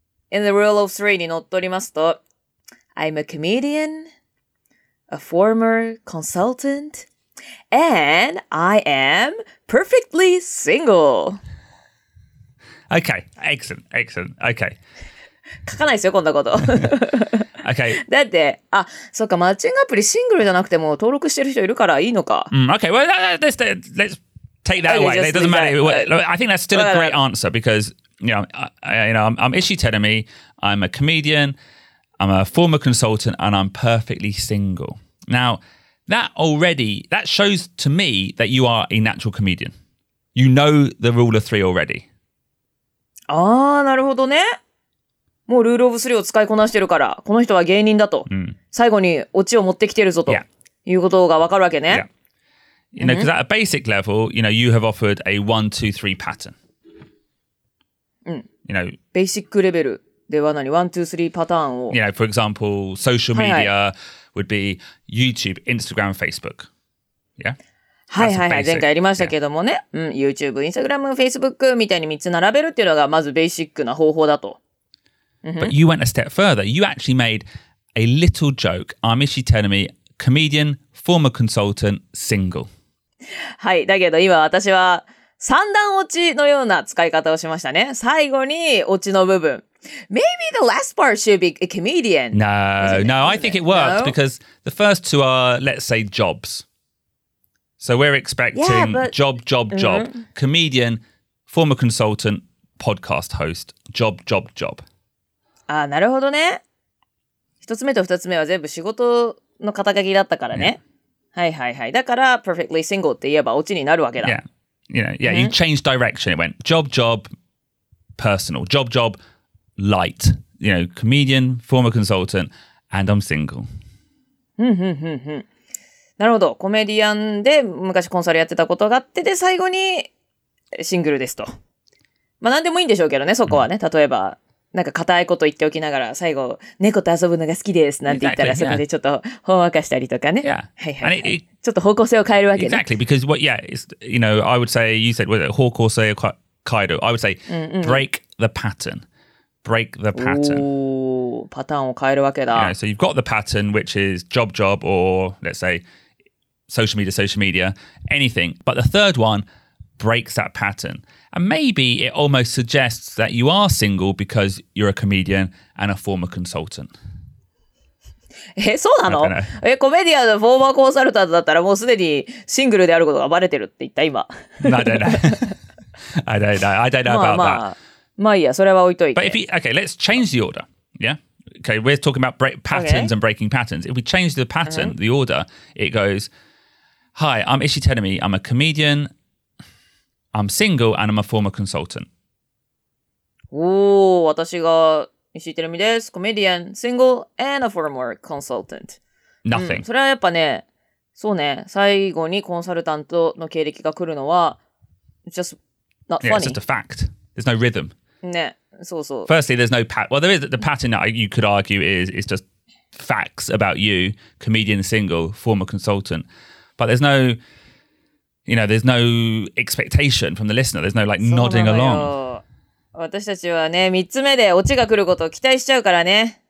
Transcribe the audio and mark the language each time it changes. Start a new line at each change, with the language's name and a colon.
English: In the rule of three
Japanese: にのっとりますと、
English: I'm a comedian, a former consultant, and I am perfectly single. Okay, excellent, excellent, okay.
Japanese: 書かないですよ、こんなこと。
English: okay.
Japanese: だって、あ、そうか、マッチングアプリシングルじゃなくても登録してる人いるからいいのか。
English: Mm, okay, well, let's take that away. It doesn't matter. I think that's still a great answer because, I'm Ishi Tedemi, I'm a comedian, I'm a former consultant, and I'm perfectly single. Now, that shows to me that you are a natural comedian. You know the rule of three already.
Japanese: ああ、なるほどね。もうルールオブスリーを使いこなしてるから、この人は芸人だと。 Mm. 最後にオチを持ってきてるぞと、
English: yeah.
Japanese: いうことがわかるわけね。
English: Yeah. You know, because at a basic level, you know, you have offered a 1-2-3 pattern. Mm. You know,
Japanese: basic レベルでは何 ?1-2-3 パターンを。
English: You know, for example, social media、はいはい、would be YouTube, Instagram, Facebook. Yeah?
Japanese: はいはいはい。前回やりましたけどもね。 Yeah. うん。YouTube、Instagram、Facebook みたいに3つ並べるっていうのがまずベーシックな方法だと。
English: But you went a step further. You actually made a little joke. I'm Ishi Tenomi, comedian, former consultant, single.
Japanese: はい。だけど今私は三段落ちのような使い方をしましたね。最後に落ちの部分。
English: Maybe the last part should be a comedian. No, no, I think it works because the first two are, let's say, jobs. So we're expecting job, comedian, former consultant, podcast host, job.
Japanese: ああ、なるほどね。一つ目と二つ目は全部仕事の肩書きだったからね。 Yeah. はいはいはい。だから
English: perfectly single
Japanese: って言えばオチになるわけだ。
English: Yeah. You know, yeah, you changed direction. It went job, job, personal. Job, job, light. You know, comedian, former consultant, and I'm single.
Japanese: なるほど。コメディアンで昔コンサルやってたことがあってで最後にシングルですと。まあ何でもいいんでしょうけどね、そこはね。例えば、なんか固いこと言っておきながら最後、猫と遊ぶのが好きですなんて言ったら、
English: exactly.
Japanese: そこでちょっとほんわかしたりとかね。
English: Yeah.
Japanese: はいはい、はい。ちょっと方向性を変えるわけね。
English: Exactly. Because, what, yeah, it's, you know, I would say, you said,
Japanese: 方向性を変える。
English: I would say, break the pattern. Break the pattern.
Japanese: パターンを変えるわけだ。
English: Yeah, so you've got the pattern, which is job, job, or let's say, social media, anything. But the third one,breaks that pattern. And maybe it almost suggests that you are single because you're a comedian and a former consultant.
Japanese: え、そうなの？え、コメディアンのフォーマーコンサルタントだったらもうすでにシングルであることがバレてるって言った今。
English: I don't know. I don't know. I don't know about that.
Japanese: まあいいや、それは置いといて。
English: But if you, okay, let's change the order. Yeah? Okay, we're talking about break patterns and breaking patterns. If we change the pattern, the order, it goes, Hi, I'm Ishii Tenomi. I'm a comedian. I'm single and I'm a former consultant.
Japanese: Oh, 私が石井テルミです。
English: Comedian, single and a former consultant. Nothing.、
Japanese: うん、それはやっぱね、そうね、最後にコンサルタントの経歴が来るのは
English: just not funny. Yeah, it's just a fact. There's no rhythm.
Japanese: ね、そうそう。
English: Firstly, there's no pattern. Well, there is the pattern that you could argue is it's just facts about you, comedian, single, former consultant. But there's no... You know, there's no expectation from the listener. There's no like nodding along.
Japanese: 私たちはね、3つ目でオチが来ることを期待しちゃうからね。